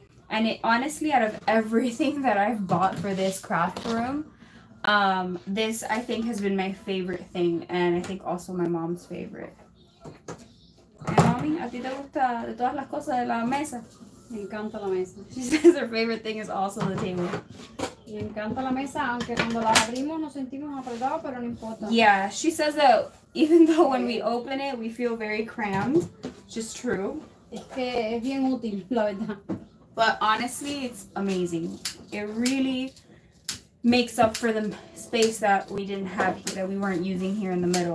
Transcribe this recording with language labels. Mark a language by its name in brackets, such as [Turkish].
[English] And it honestly, out of everything that I've bought for this craft room, this, I think, has been my favorite thing. And I think also my mom's favorite. Hey, mommy, [Spanish] ¿a ti te gusta de todas las cosas de la mesa? Me encanta la mesa. [English] She says her favorite thing is also the table. [Spanish] Y encanta la mesa, aunque cuando la abrimos nos sentimos apretados, pero no importa. [English] Yeah, she says that even though when we open it, we feel very cramped, which is true. [Spanish] Es que es bien útil, la verdad. [English] But honestly, it's amazing. It really makes up for the space that we didn't have here, that we weren't using here in the middle.